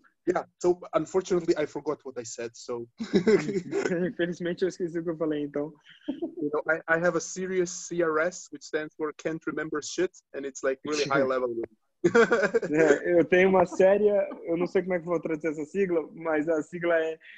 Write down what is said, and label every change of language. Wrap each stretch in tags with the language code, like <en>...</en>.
<en>Yeah, so unfortunately I forgot what I said, so...</en> <pt>Infelizmente eu esqueci o que eu falei, então.</pt> <en>You know, I have a serious CRS, which stands for Can't Remember Shit, and it's like really high level.</en> <pt>É, eu tenho uma séria, eu não sei como é que vou traduzir essa sigla, mas a sigla é...</pt>